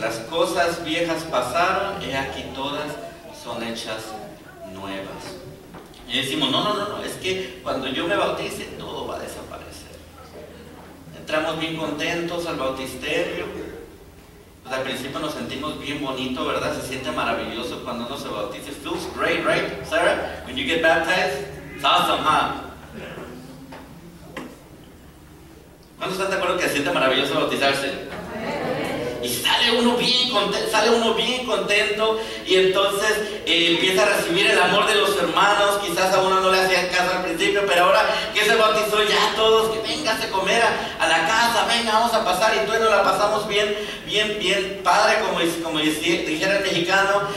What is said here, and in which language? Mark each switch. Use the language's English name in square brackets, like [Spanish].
[Spanish] Las cosas viejas pasaron, y aquí todas son hechas nuevas. Y decimos, no, es que cuando yo me bautice, todo va a desaparecer. Entramos bien contentos al bautisterio. Pues al principio nos sentimos bien bonito, ¿verdad? Se siente maravilloso cuando uno se bautiza. [English] Feels great, right, Sarah? When you get baptized, it's awesome, huh? [Spanish] ¿Cuántos están de acuerdo que se siente maravilloso bautizarse? Y sale uno bien contento y entonces empieza a recibir el amor de los hermanos. Quizás a uno no le hacían caso al principio, pero ahora que se bautizó ya todos, que véngase a comer a la casa, venga, vamos a pasar, y entonces nos la pasamos bien padre, como dijera el mexicano.